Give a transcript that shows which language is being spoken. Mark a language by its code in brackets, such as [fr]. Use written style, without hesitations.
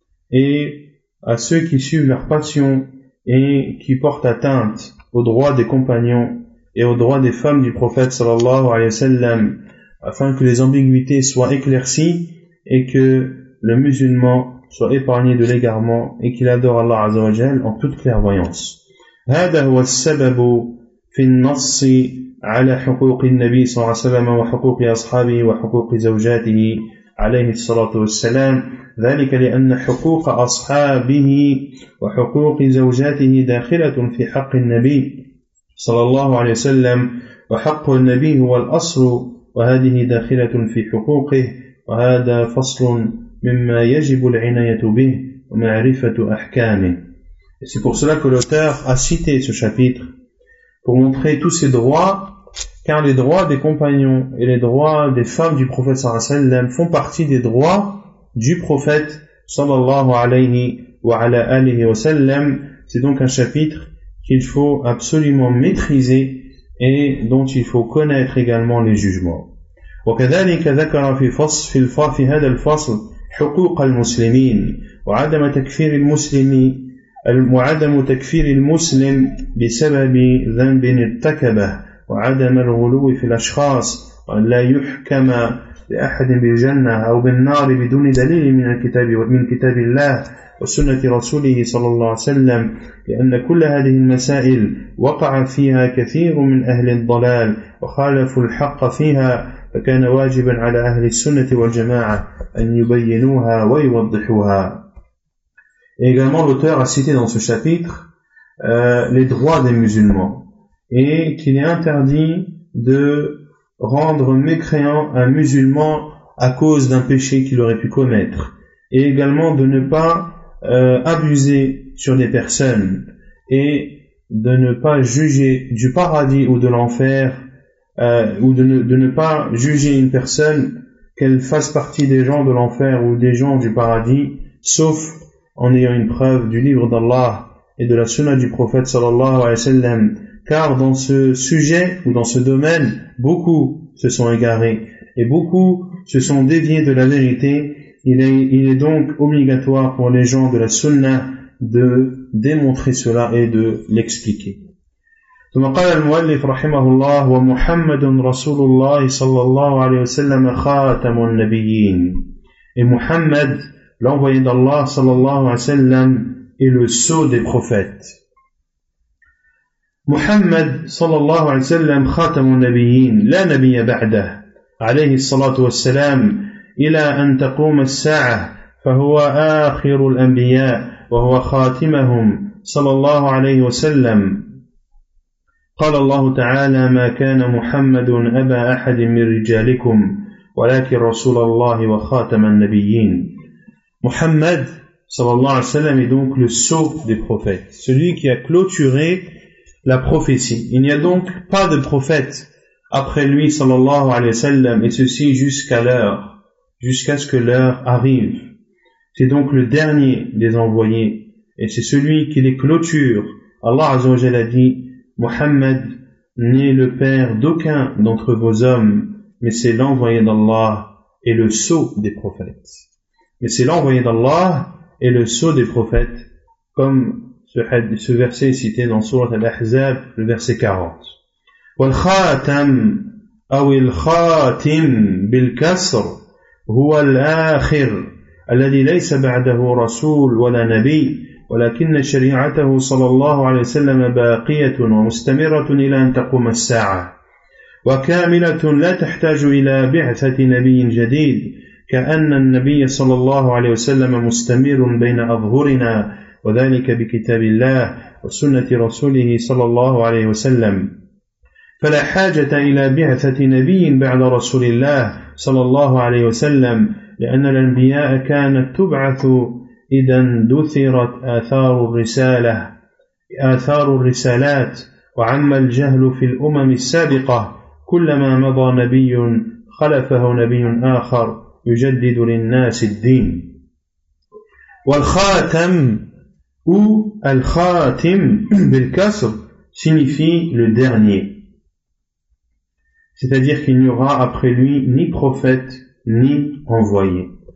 [fr] et à ceux qui suivent leur passion et qui portent atteinte aux droits des compagnons et aux droits des femmes du prophète sallallahu alayhi wa sallam, afin que les ambiguïtés soient éclaircies et que le musulman soit épargné de l'égarement et qu'il adore Allah Azza wa Jal en toute clairvoyance. [ar] هذا هو السبب في النص على حقوق النبي صلى الله عليه وسلم وحقوق أصحابه وحقوق زوجاته عليه الصلاة والسلام. ذلك لأن حقوق أصحابه وحقوق زوجاته داخلة في حق النبي صلى الله عليه وسلم وحق النبي هو الأصل وهذه داخلة في حقوقه وهذا فصل مما يجب العناية به ومعرفة أحكامه. [fr] Et c'est pour cela que l'auteur a cité ce chapitre pour montrer tous ses droits, car les droits des compagnons et les droits des femmes du prophète sallallahu alayhi wa sallam font partie des droits du prophète sallallahu alayhi wa ala alihi wa sallam. C'est donc un chapitre qu'il faut absolument maîtriser et dont il faut connaître également les jugements. وكذلك ذكر في فصل في هذا الفصل حقوق المسلمين وعدم تكفير المسلم وعدم تكفير المسلم بسبب ذنب ارتكبه وعدم الغلو في الأشخاص وأن لا يحكم لأحد بالجنة أو بالنار بدون دليل من الكتاب ومن كتاب الله وسنة رسوله صلى الله عليه وسلم لأن كل هذه المسائل وقع فيها كثير من أهل الضلال وخالفوا الحق فيها فكان واجبا على أهل السنة والجماعة أن يبينوها ويوضحوها. Également, l'auteur a cité dans ce chapitre les droits des musulmans et qu'il est interdit de rendre mécréant un musulman à cause d'un péché qu'il aurait pu commettre et également de ne pas abuser sur des personnes et de ne pas juger du paradis ou de l'enfer ou de ne pas juger une personne qu'elle fasse partie des gens de l'enfer ou des gens du paradis sauf en ayant une preuve du livre d'Allah et de la sunna du prophète sallallahu alayhi wa sallam, car dans ce sujet ou dans ce domaine, beaucoup se sont égarés et beaucoup se sont déviés de la vérité. Il est donc obligatoire pour les gens de la sunna de démontrer cela et de l'expliquer. [ar] ثم قال المؤلف رحمه الله ومحمد رسول الله صلى الله عليه وسلم خاتم النبيين. [fr] Et Muhammad, l'envoyé d'Allah sallallahu alayhi wa sallam, est le sceau des prophètes. [ar] محمد صلى الله عليه وسلم خاتم النبيين لا نبي بعده عليه الصلاة والسلام إلى أن تقوم الساعة فهو آخر الأنبياء وهو خاتمهم صلى الله عليه وسلم. قال الله تعالى: ما كان محمد أبا أحد من رجالكم ولكن رسول الله وخاتم النبيين. محمد صلى الله عليه وسلم [fr] est donc le sceau des prophètes, celui qui a clôturé la prophétie. Il n'y a donc pas de prophète après lui, sallallahu alayhi wa sallam, et ceci jusqu'à l'heure, jusqu'à ce que l'heure arrive. C'est donc le dernier des envoyés, et c'est celui qui les clôture. Allah Azza wa Jalla a dit: Muhammad n'est le père d'aucun d'entre vos hommes, mais c'est l'envoyé d'Allah et le sceau des prophètes. Mais c'est l'envoyé d'Allah et le sceau des prophètes, comme ce verset cité dans Sourate Al-Ahzab, le verset 40. [ar] والخاتم أو الخاتم بالكسر هو الآخر الذي ليس بعده رسول ولا نبي ولكن شريعته صلى الله عليه وسلم باقية ومستمرة إلى أن تقوم الساعة وكاملة لا تحتاج إلى بعثة نبي جديد كأن النبي صلى الله عليه وسلم مستمر بين أظهرنا وذلك بكتاب الله وسنة رسوله صلى الله عليه وسلم. فلا حاجة إلى بعثة نبي بعد رسول الله صلى الله عليه وسلم لأن الأنبياء كانت تبعث إذا اندثرت آثار الرسالة آثار الرسالات وعم الجهل في الأمم السابقة كلما مضى نبي خلفه نبي آخر يجدد للناس الدين. والخاتم أو الخاتم بالكسر [fr] signifie le dernier, c'est-à-dire qu'il n'y aura après lui ni prophète ni envoyé.